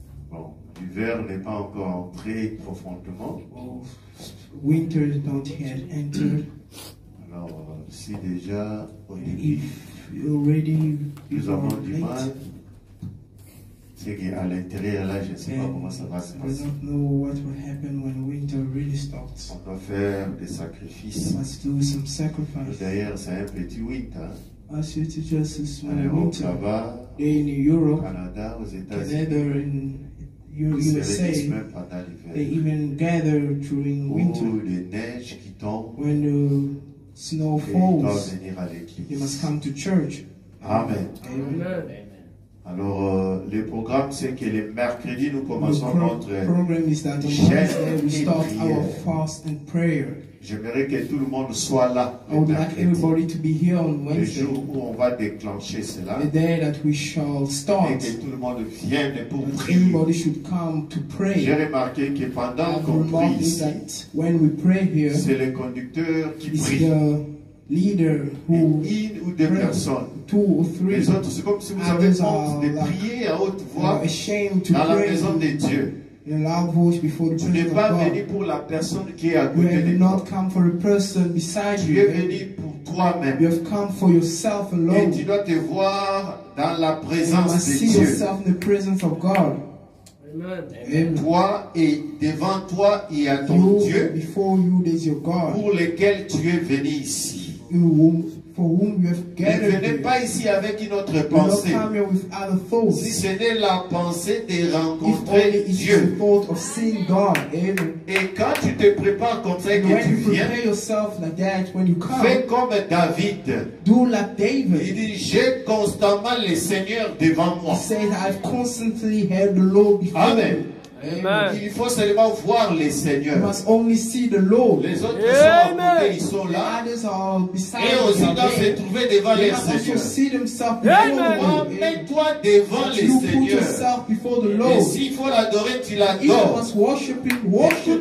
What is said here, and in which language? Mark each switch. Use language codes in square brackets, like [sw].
[fr] Bon, l'hiver n'est pas encore entré profondément. [en] Well, winter don't yet enter. [fr] Alors, si déjà au début, [en] if already [fr] nous avons du mal, c'est qu'à l'intérieur là, je ne sais pas comment ça va se passer. [en] I don't know what will happen when winter really starts. [fr] On doit faire des sacrifices. [en] Must do some sacrifice. [fr] D'ailleurs, c'est un petit winter. [en] As it is just a small [fr] en [en] winter. [fr] Là-bas, [en] in Europe, [fr] Canada, aux États-Unis. [en] Canada, in USA, they even gather during winter. [fr] Neige qui tombe, [en] when the snow falls, they must come to church. Amen. Amen. Amen. [fr] Alors, le programme, c'est que les mercredis, nous commençons notre chaîne et prière. [en] We start our fast and prayer. [fr] J'aimerais que tout le monde soit là le mercredi. [en] Like everybody to be here on Wednesday. [fr] Le jour où on va déclencher cela. [en] The day that we shall start. [fr] Et que tout le monde vienne pour [en] that [fr] prier. [en] Everybody should come to pray. [fr] J'ai remarqué que pendant qu'on prie ici, [en] when we pray here, [fr] c'est le conducteur qui prie. [en] The leader who [fr] une ou deux personnes. [en] Two or three. [fr] Les autres, c'est comme si vous avez honte de prier à haute voix [en] ashamed to [fr] dans la maison de Dieu. [en] In a loud voice before the presence of God. [fr] Tu pas venu pour la personne qui est à côté de toi. [en] You have not come for a person beside you. [fr] Tu es venu pour toi-même. [en] You have come for yourself alone. [fr] Et tu dois te voir dans la présence de Dieu. [en] You must see yourself in the presence of God. Amen. [fr] Et toi et devant toi il y a ton [en] you, [fr] Dieu. [en] Before you there's your God. [fr] Pour lequel tu es venu ici. [en] In whom, for whom you have gathered. [fr] Ne venez pas ici avec une autre pensée. [en] You don't come here with other thoughts. [fr] Si ce n'est la pensée de rencontrer Dieu. [en] If only it's the thought of seeing God. Amen. [fr] Et quand tu te prépares comme ça et que tu viens, [en] prepare yourself like that when you come, [fr] fais comme David. [en] Do like David. [fr] Il dit, j'ai constamment le Seigneur devant moi. [en] He said, I've constantly heard the Lord before. Amen. Amen. [fr] Il faut seulement voir le Seigneur. [en] You must only see the Lord. [fr] Les autres sont à côté, ils sont là. [en] Others are beside. [fr] Et aussi doivent se trouver devant le Seigneur. [en] See themselves before [fr] toi devant le Seigneur. [en] Put yourself before the Lord. [fr] Et s'il faut l'adorer, tu l'adores. [en] You must worship him. Worship